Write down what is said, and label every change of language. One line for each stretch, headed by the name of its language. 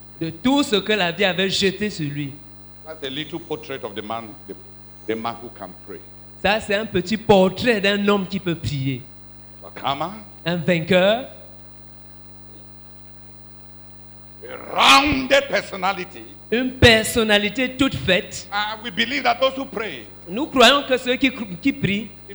French: De tout ce que la vie avait jeté sur lui.
English: That's a little portrait of the man who can pray.
French: Ça, c'est un petit portrait d'un homme qui peut prier.
English: Overcomer.
French: Un vainqueur.
English: A rounded personality.
French: Une personnalité toute faite.
English: We believe that those who pray,
French: nous croyons que ceux qui prient,